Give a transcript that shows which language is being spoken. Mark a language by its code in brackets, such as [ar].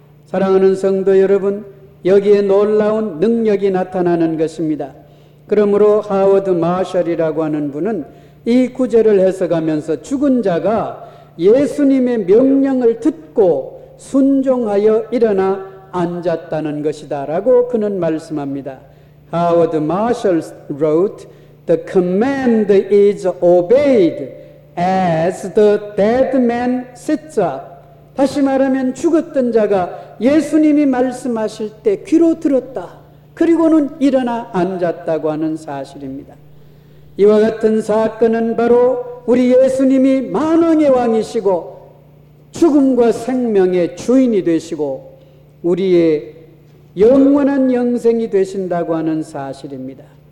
[ko] 사랑하는 성도 여러분, 여기에 놀라운 능력이 나타나는 것입니다. 그러므로 하워드 마셜이라고 하는 분은 이 구절을 해석하면서 죽은 자가 예수님의 명령을 듣고 순종하여 일어나 앉았다는 것이다 라고 그는 말씀합니다. [en] Howard Marshall wrote, The command is obeyed as the dead man sits up. [ko] 다시 말하면 죽었던 자가 예수님이 말씀하실 때 귀로 들었다. 그리고는 일어나 앉았다고 하는 사실입니다. 이와 같은 사건은 바로 우리 예수님이 만왕의 왕이시고 죽음과 생명의 주인이 되시고 우리의 영원한 영생이 되신다고 하는 사실입니다.